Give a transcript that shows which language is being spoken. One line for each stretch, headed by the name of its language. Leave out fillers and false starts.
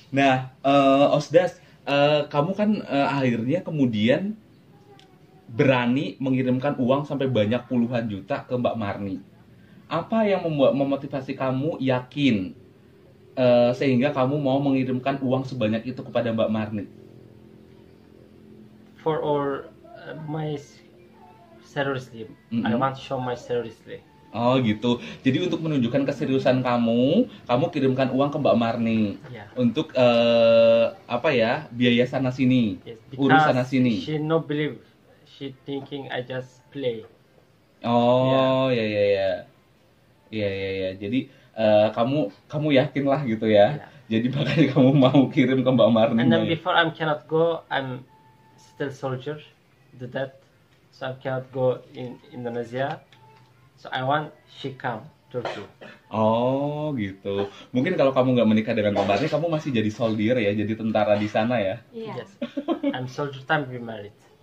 Indonesian: Nah, Osdas, kamu kan akhirnya kemudian berani mengirimkan uang sampai banyak puluhan juta ke Mbak Marni. Apa yang membuat memotivasi kamu yakin sehingga kamu mau mengirimkan uang sebanyak itu kepada Mbak Marni?
English: For all my seriously, I want to show my seriously.
Indonesian: Oh gitu. Jadi untuk menunjukkan keseriusan kamu, kamu kirimkan uang ke Mbak Marni untuk apa ya, biaya sana sini, urus sana sini.
English: She no believe. She thinking I just play.
Indonesian: Oh ya ya ya. Ya ya ya. Jadi kamu yakin lah gitu ya. Yeah. Jadi makanya kamu mau kirim ke Mbak Marni.
English: And then before I cannot go, I'm still soldier, the dead, so I cannot go in Indonesia. So I want she come to you.
Indonesian: Oh gitu. Mungkin kalau kamu nggak menikah dengan Mbak Marni, kamu masih jadi soldier ya, jadi tentara di sana ya.
English: Yeah. Yes. I'm soldier time be married.